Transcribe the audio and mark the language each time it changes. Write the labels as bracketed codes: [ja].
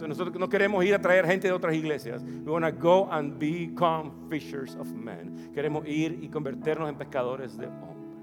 [es] Nosotros no queremos ir a traer gente de otras iglesias. [en] We want to go and become fishers of men. [es] Queremos ir y convertirnos en pescadores de hombres.